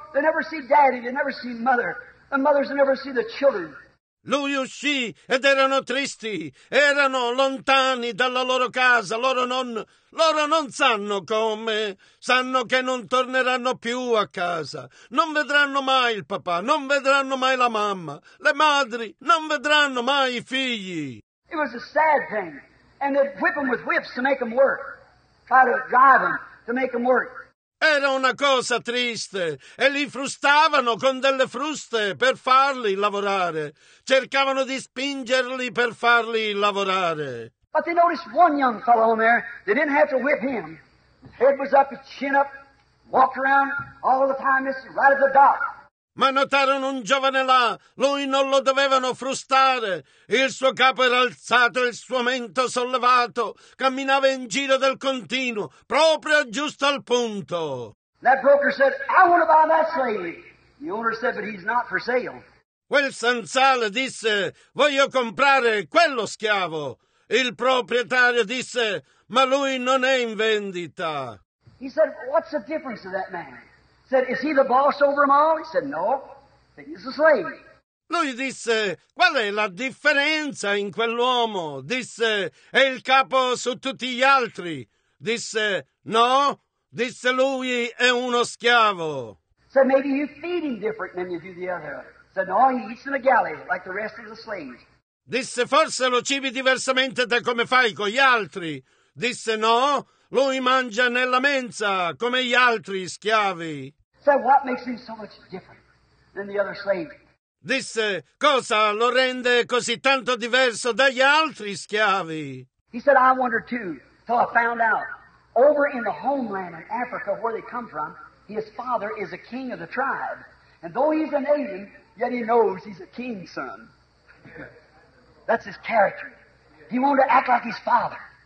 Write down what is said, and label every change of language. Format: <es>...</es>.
<en>They never see daddy, they never see mother. The mothers never see the children.</en> <it>Lui uscì ed erano tristi. Erano lontani dalla loro casa. Loro non sanno come. Sanno che non torneranno più a casa. Non vedranno mai il papà. Non vedranno mai la mamma. Le madri non vedranno mai i figli.</it> <en>It was a sad thing. And they'd whip them with whips to make them work. Try to drive them to make them work.</en> <it>Era una cosa triste e li frustavano con delle fruste per farli lavorare. Cercavano di spingerli per farli lavorare.</it> <en>But they noticed one young fellow on there. They didn't have to whip him. Head was up, chin up, walked around all the time, just right at the dock.</en> <it>Ma notarono un giovane là, lui non lo dovevano frustare. Il suo capo era alzato, il suo mento sollevato. Camminava in giro del continuo, proprio giusto al punto.</it> <en>That broker said, I want to buy that slave. The owner said, but he's not for sale.</en> <it>Quel sensale disse, voglio comprare quello schiavo. Il proprietario disse, ma lui non è in vendita.</it> <en>He said, what's the difference of that man? Said, is he the boss over them all? He said, no, he's a slave.</en> <it>Lui disse, qual è la differenza in quell'uomo? Disse, è il capo su tutti gli altri. Disse, no, disse lui, è uno schiavo.</it> <en>Said, maybe you feed him different than you do the other. Said, no, he eats in a galley like the rest of the slaves.</en> <it>Disse, forse lo cibi diversamente da come fai con gli altri. Disse, no. Lui mangia nella mensa come gli altri schiavi.</it> <en>So what makes him so much different than the other slave?</en> <it>Disse, cosa lo rende così tanto diverso dagli altri schiavi?</it> <en>He said, I wonder too, till I found out. Over in the homeland in Africa where they come from, his father is a king of the tribe. And though he's an alien, yet he knows he's a king's son. That's his character. He wanted to act like his father.</en>